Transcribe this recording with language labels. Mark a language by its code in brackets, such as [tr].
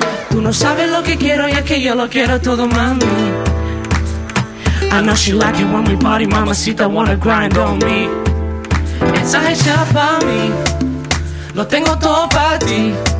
[es] Tú no sabes lo que quiero y es que yo lo quiero todo, mami. [en] I know she like it when we party, mamacita wanna grind on me. [es] Está hecha pa' mí, lo tengo todo pa' ti.